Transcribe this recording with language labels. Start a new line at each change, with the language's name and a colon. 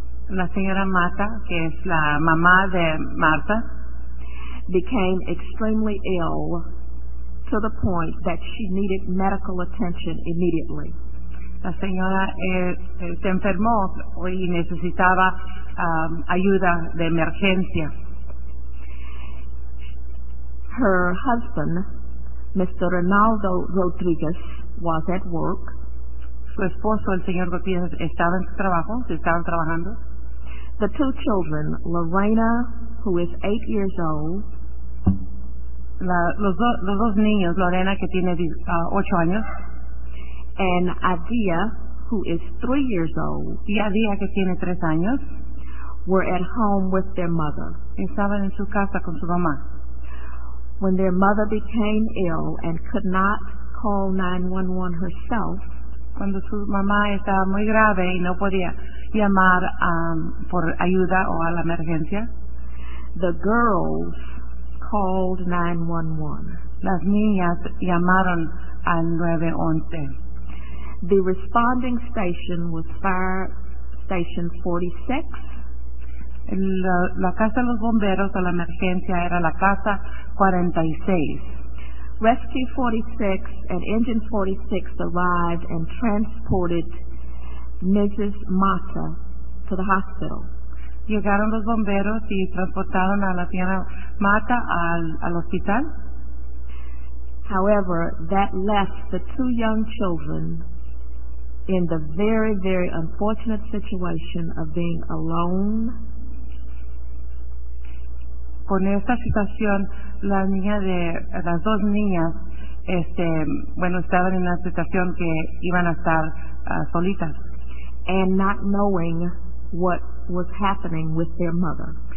Spanish: la señora Mata, que es la mamá de Marta,
English: became extremely ill to the point that she needed medical attention immediately.
Spanish: La señora se enfermó y necesitaba ayuda de emergencia.
English: Her husband, Mr. Ronaldo Rodriguez, was at work.
Spanish: Su esposo, el señor Rodriguez, estaba en su trabajo, se estaban trabajando.
English: The two children, Lorena, who is 8 years old,
Spanish: Los dos niños, Lorena, que tiene 8 años,
English: and Adia, who is 3 years old,
Spanish: y Adia, que tiene 3 años,
English: were at home with their mother.
Spanish: Estaban en su casa con su mamá.
English: When their mother became ill and could not call 911 herself,
Spanish: cuando su mamá estaba muy grave y no podía llamar por ayuda o a la emergencia,
English: the girls called 911.
Spanish: Las niñas llamaron al 911.
English: The responding station was Fire Station 46.
Spanish: La casa de los bomberos o la emergencia era la casa 46.
English: Rescue 46 and Engine 46 arrived and transported Mrs. Mata to the hospital.
Spanish: Llegaron los bomberos y transportaron a la señora Mata al hospital.
English: However, that left the two young children in the very, very unfortunate situation of being alone
Spanish: con esta situación, la niña de las dos niñas, bueno, estaban en la situación que iban a estar solitas.
English: And not knowing what was happening with their mother.